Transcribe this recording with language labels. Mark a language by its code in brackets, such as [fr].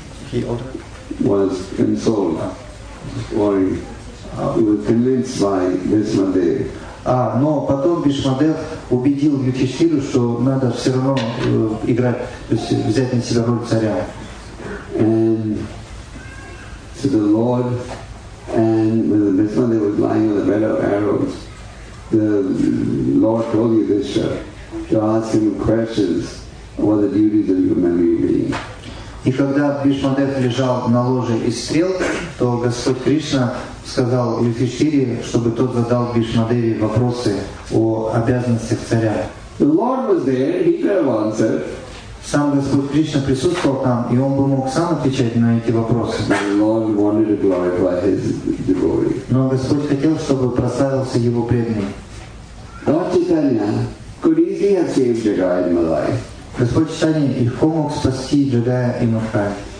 [en] He ordered? Was consoled. Worry. He was convinced by Bhishma Dev. [ru] Но потом Бхишма Дев убедил Юдхиштхиру, что надо все равно играть, то есть взять на себя роль царя. [en] And so the Lord and when Bhishma Dev was lying on the bed of arrows, the Lord told Yudhishthira to ask him questions about the duties of human being. [ru] И когда Бхишма Дев лежал на ложе из стрел, то Господь Кришна сказал Юдхиштхире, чтобы тот задал Бхишма Деве вопросы о обязанностях царя. [en] The Lord was there, he could have answered. [ru] Сам Господь Кришна присутствовал там, и он бы мог сам отвечать на эти вопросы. [en] The Lord wanted to glorify his devotee. [ru] Но Господь хотел, чтобы прославился его преданный. [en] Lord Chaitanya could easily have saved Jagai and Malai. [ru] Господь Читание легко мог спасти Джагая и Махай.